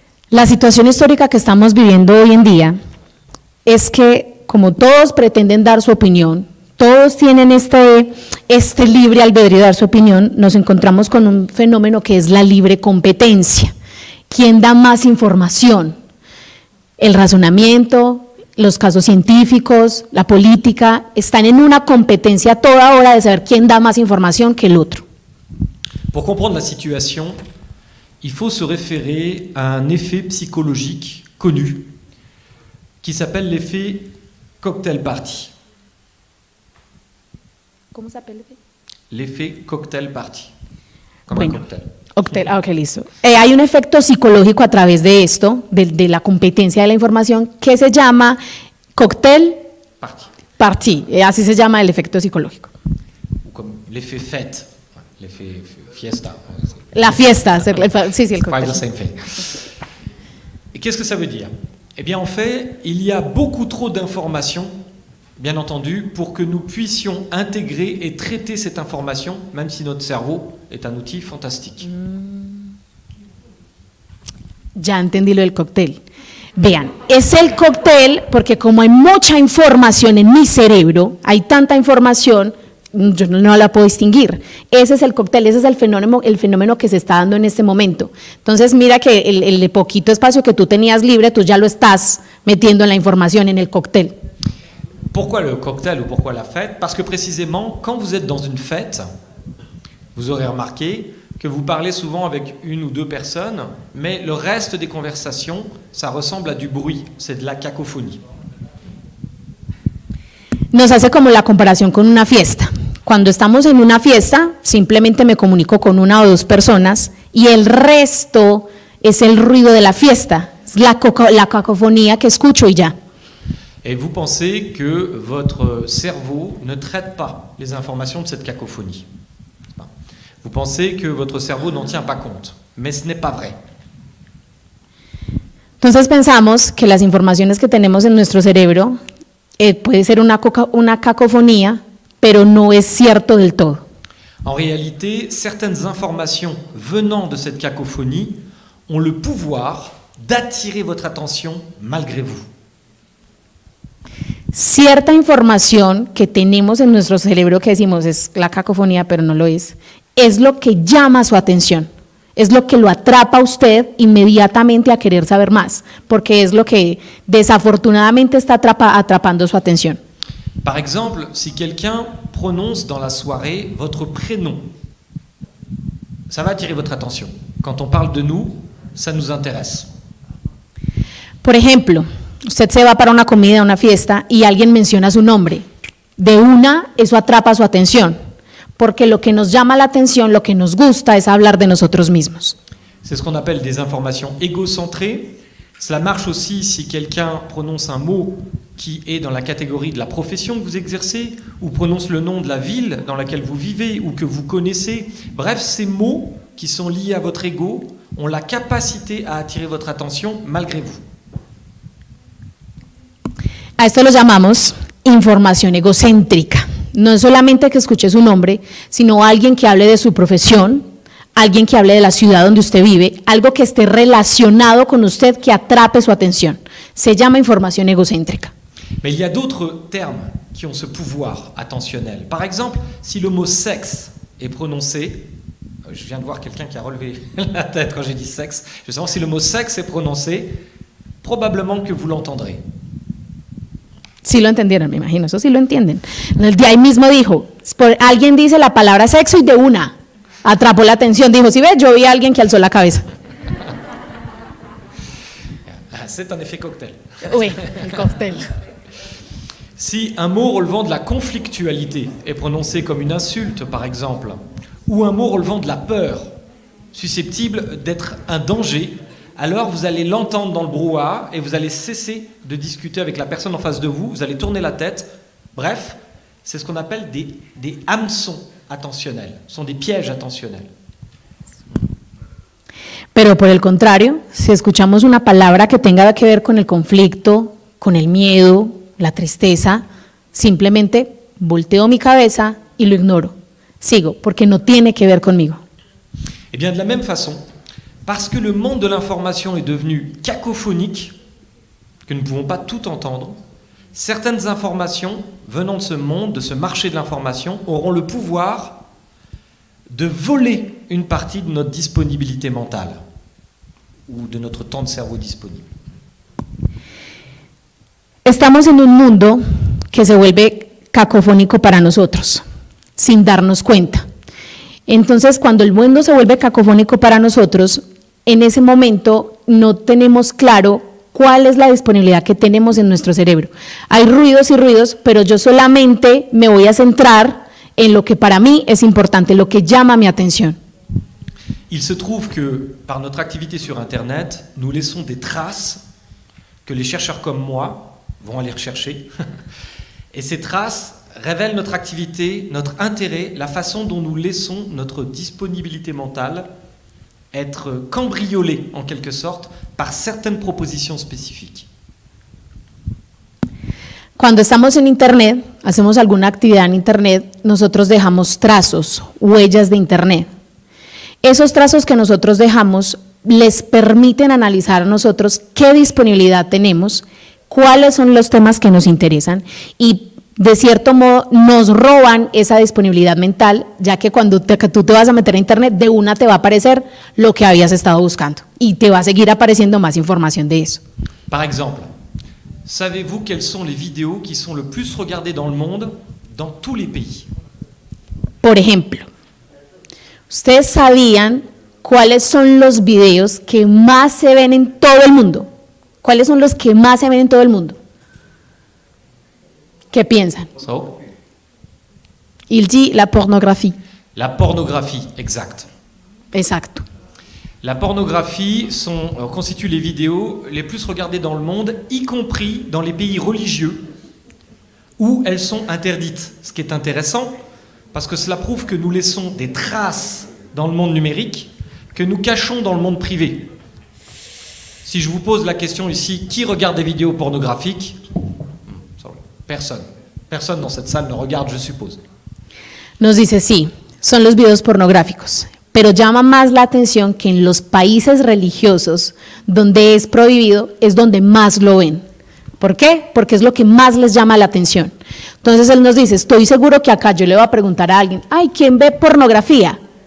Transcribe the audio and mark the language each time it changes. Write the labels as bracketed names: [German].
[Spanish] La situación histórica que estamos viviendo hoy en día es que, como todos pretenden dar su opinión, todos tienen este libre albedrío de dar su opinión, nos encontramos con un fenómeno que es la libre competencia. ¿Quién da más información? El razonamiento, los casos científicos, la política, están en una competencia toda hora de saber quién da más información que el otro. [French] Pour comprendre la situación, il faut se référer à un effet psychologique connu qui s'appelle l'effet cocktail party. [Spanish] ¿Cómo se [French] s'appelle l'effet? L'effet cocktail party. Comme [Spanish] bueno, un cocktail. Cocktail, ah, ok, listo. Hay un efecto psicológico a través de esto, de la competencia de la información, que se llama cocktail party. Party. Así se llama el efecto psicológico. [French] Comme l'effet fête, l'effet fiesta. [Spanish] La fiesta, sí, el cocktail. [French] C'est pas le même fait. Et qu'est-ce que ça veut dire? Eh bien, en fait, il y a beaucoup trop d'informations, bien entendu, pour que nous puissions intégrer et traiter cette information, même si notre cerveau est un outil fantastique. [Spanish] Ya entendí lo del cóctel. Vean, es el cóctel porque como hay mucha información en mi cerebro, hay tanta información, yo no la puedo distinguir. Ese es el cóctel, ese es el fenómeno que se está dando en este momento. Entonces mira que el poquito espacio que tú tenías libre, tú ya lo estás metiendo en la información, en el cóctel. ¿Por qué el cóctel o por qué la fête? Porque precisamente cuando estés en una [French] fête, vous aurez remarqué que vous parlez souvent avec une ou deux personnes, mais le reste des conversations, ça ressemble à du bruit, c'est de la cacophonie. [Spanish] Nos hace como la comparación con una fiesta. Cuando estamos en una fiesta, simplemente me comunico con una o dos personas y el resto es el ruido de la fiesta, es la cacofonía que escucho y ya. [French] Et vous pensez que votre cerveau ne traite pas les informations de cette cacophonie. Vous pensez que votre cerveau n'en tient pas compte, mais ce n'est pas vrai. [Spanish] Entonces pensamos que las informaciones que tenemos en nuestro cerebro puede ser una cacofonía, pero no es cierto del todo. [French] En réalité, certaines informations venant de cette cacophonie ont le pouvoir d'attirer votre attention malgré vous. [Spanish] Cierta información que tenemos en nuestro cerebro que decimos es la cacofonía, pero no lo es, es lo que llama su atención. Es lo que lo atrapa a usted inmediatamente a querer saber más, porque es lo que desafortunadamente está atrapando su atención. [French] Par exemple, si quelqu'un prononce dans la soirée votre prénom, Ça va attirer votre attention. Quand on parle de nous, ça nous intéresse. [Spanish] Por ejemplo, usted se va para una comida, una fiesta, y alguien menciona su nombre. De una, eso atrapa su atención. Porque lo que nos llama la atención, lo que nos gusta, es hablar de nosotros mismos. [French] C'est ce qu'on appelle des informations égocentrées. Cela marche aussi si quelqu'un prononce un mot qui est dans la catégorie de la profession que vous exercez, ou prononce le nom de la ville dans laquelle vous vivez, ou que vous connaissez. Bref, ces mots qui sont liés à votre ego ont la capacité à attirer votre attention malgré vous. [Spanish] A esto lo llamamos información egocéntrica. No es solamente que escuche su nombre, sino alguien que hable de su profesión, alguien que hable de la ciudad donde usted vive, algo que esté relacionado con usted, que atrape su atención. Se llama información egocéntrica. [French] Mais il y a d'autres termes qui ont ce pouvoir attentionnel. Par exemple, si le mot sexe est prononcé, je viens de voir quelqu'un qui a relevé la tête quand j'ai dit sexe, justement, si le mot sexe est prononcé, probablement que vous l'entendrez. [Spanish] Sí lo entendieron, me imagino, eso sí lo entienden. El día ahí mismo dijo, alguien dice la palabra sexo y de una, atrapó la atención, dijo, ¿sí ves? Yo vi a alguien que alzó la cabeza. [French] C'est un effet cóctel. Oui, [Spanish] el cóctel. [French] Si un mot relevant de la conflictualité est prononcé comme une insulte, par exemple, ou un mot relevant de la peur, susceptible d'être un danger, alors vous allez l'entendre dans le brouhaha et vous allez cesser de discuter avec la personne en face de vous, vous allez tourner la tête. Bref, c'est ce qu'on appelle des hameçons attentionnels, ce sont des pièges attentionnels. [Spanish] Pero por el contrario, si escuchamos una palabra que tenga que ver con el conflicto, con el miedo, la tristeza, simplemente volteo mi cabeza y lo ignoro. Sigo, porque no tiene que ver conmigo. [French] Et bien de la même façon, parce que le monde de l'information est devenu cacophonique, que nous ne pouvons pas tout entendre, certaines informations venant de ce monde, de ce marché de l'information, auront le pouvoir de voler une partie de notre disponibilité mentale ou de notre temps de cerveau disponible. [Spanish] Estamos en un mundo que se vuelve cacofónico para nosotros, sin darnos cuenta. Entonces, cuando el mundo se vuelve cacofónico para nosotros, en ese momento no tenemos claro cuál es la disponibilidad que tenemos en nuestro cerebro. Hay ruidos y ruidos, pero yo solamente me voy a centrar en lo que para mí es importante, lo que llama mi atención. [French] Il se trouve que par notre activité sur Internet, nous laissons des traces que les chercheurs comme moi vont aller rechercher. Et ces traces révèlent notre activité, notre intérêt, la façon dont nous laissons notre disponibilité mentale être cambriolé en quelque sorte par certaines propositions spécifiques. [Spanish] Cuando estamos en internet, hacemos alguna actividad en internet, nosotros dejamos trazos, huellas de internet. Esos trazos que nosotros dejamos les permiten analizar a nosotros qué disponibilidad tenemos, cuáles son los temas que nos interesan y de cierto modo, nos roban esa disponibilidad mental, ya que cuando tú te vas a meter a internet, de una te va a aparecer lo que habías estado buscando. Y te va a seguir apareciendo más información de eso. [French] Par exemple, ¿savez-vous quelles sont les vidéos qui sont le plus regardées dans le monde, dans tous les pays? [Spanish] Por ejemplo, ¿ustedes sabían cuáles son los videos que más se ven en todo el mundo? ¿Cuáles son los que más se ven en todo el mundo? ¿Qué piensan? [English] So? [French] Il dit la pornographie. La pornographie, exact. Exact. La pornographie constitue les vidéos les plus regardées dans le monde, y compris dans les pays religieux, où elles sont interdites. Ce qui est intéressant, parce que cela prouve que nous laissons des traces dans le monde numérique que nous cachons dans le monde privé. Si je vous pose la question ici, qui regarde des vidéos pornographiques ? Personne. Personne dans cette salle ne regarde, je suppose. [Spanish] Nos dice, sí, son los videos pornográficos, pero llama más la atención que en los países religiosos donde es prohibido, es donde más lo ven. ¿Por qué? Porque es lo que más les llama la atención. Entonces él nos dice, estoy seguro que acá yo le voy a preguntar a alguien, ay, ¿quién ve pornografía?